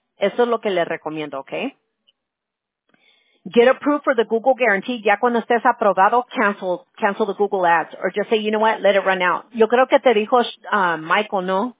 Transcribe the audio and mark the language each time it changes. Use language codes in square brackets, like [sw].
[es] Eso es lo que le recomiendo, okay? [en] Get approved for the Google guarantee. [es] Ya cuando estés aprobado, [en] cancel the Google ads. Or just say, you know what, let it run out. [es] Yo creo que te dijo, Michael, ¿no?